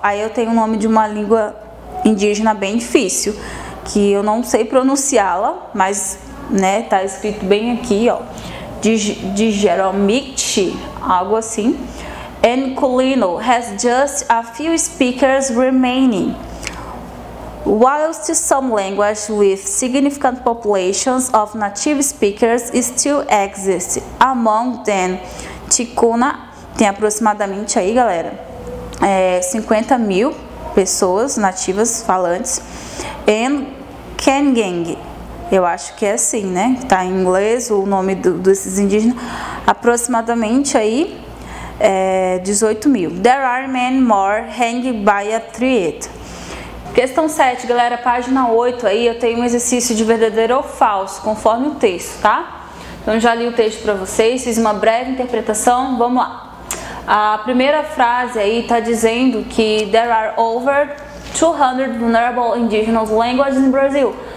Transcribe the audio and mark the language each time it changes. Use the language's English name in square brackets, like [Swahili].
[Portuguese] Aí eu tenho o nome de uma língua indígena bem difícil, que eu não sei pronunciá-la, mas, né, tá escrito bem aqui, ó. De Jeromichi, algo assim. [English] And Colino has just a few speakers remaining. Whilst some language with significant populations of native speakers still exist, among them, Ticuna [Portuguese] tem aproximadamente aí, galera, 50 mil pessoas nativas falantes. And Kengeng, eu acho que é assim, né? Tá em inglês o nome desses indígenas. Aproximadamente aí, 18 mil. [English] There are many more hanging by a tree. [Portuguese] Questão 7, galera, página 8 aí, eu tenho um exercício de verdadeiro ou falso, conforme o texto, tá? Então, já li o texto pra vocês, fiz uma breve interpretação, vamos lá. A primeira frase aí tá dizendo que [English] there are over 200 vulnerable indigenous languages in Brazil.